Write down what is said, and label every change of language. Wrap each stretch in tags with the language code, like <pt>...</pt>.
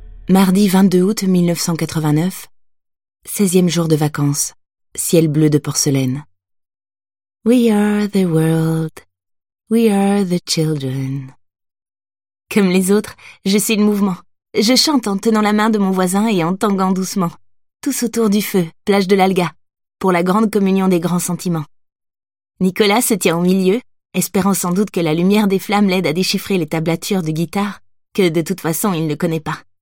<fr>Mardi 22 août 1989, 16e jour de vacances, ciel bleu de porcelaine.</fr> <en>We are the world, we are the children.</en> <fr>Comme les autres, je suis le mouvement. Je chante en tenant la main de mon voisin et en tanguant doucement. Tous autour du feu, plage de l'Alga, pour la grande communion des grands sentiments. Nicolas se tient au milieu, espérant sans doute que la lumière des flammes l'aide à déchiffrer les tablatures de guitare, que de toute façon il ne connaît pas.</fr>